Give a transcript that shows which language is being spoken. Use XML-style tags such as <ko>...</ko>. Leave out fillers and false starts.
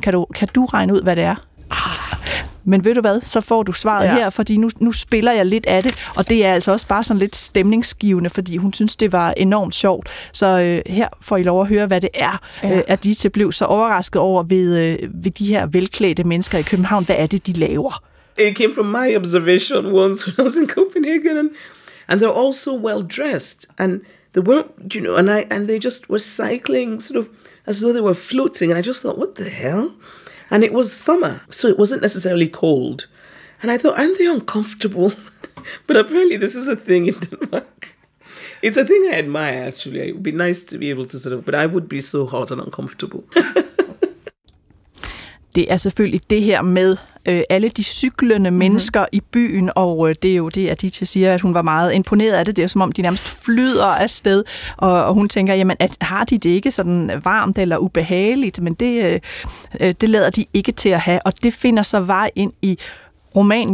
<da>Kan du regne ud, hvad det er? Men ved du hvad, så får du svaret her, fordi nu spiller jeg lidt af det, og det er altså også bare sådan lidt stemningsgivende, fordi hun synes, det var enormt sjovt. Så her får I lov at høre, hvad det er, at de til blev så overrasket over ved de her velklædte mennesker i København. Hvad er det, de laver?</da> <en>It came from my observation once when I was in Copenhagen, and they're all so well-dressed, and they weren't, you know, and they just were cycling sort of as though they were floating, and I just thought, what the hell? And it was summer, so it wasn't necessarily cold. And I thought, aren't they uncomfortable? But apparently this is a thing in Denmark. It's a thing I admire, actually. It would be nice to be able to sort of, but I would be so hot and uncomfortable.</en> <da>Det er selvfølgelig det her med alle de cyklende mennesker i byen, og det er jo det, at Adichie siger, at hun var meget imponeret af det. Det er som om, de nærmest flyder afsted, og hun tænker, jamen, har de det ikke sådan varmt eller ubehageligt? Men det lader de ikke til at have, og det finder så vej ind i romanen.</da>